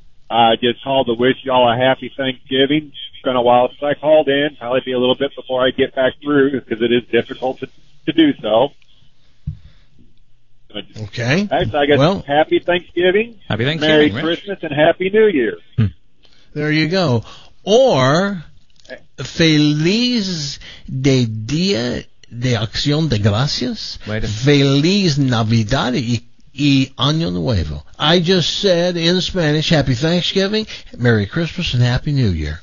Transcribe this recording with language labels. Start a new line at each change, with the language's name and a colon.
English: I just called to wish y'all a happy Thanksgiving. It's been a while since I called in. Probably be a little bit before I get back through because it is difficult to do so. Okay. Actually, I guess happy Thanksgiving. Happy Thanksgiving. Merry Rich. Christmas and Happy New Year. There you go.
Spanish: Or Feliz de Día de Acción de Gracias. Feliz Navidad y Año Nuevo.
English: I just said in Spanish, Happy Thanksgiving, Merry Christmas, and Happy New Year.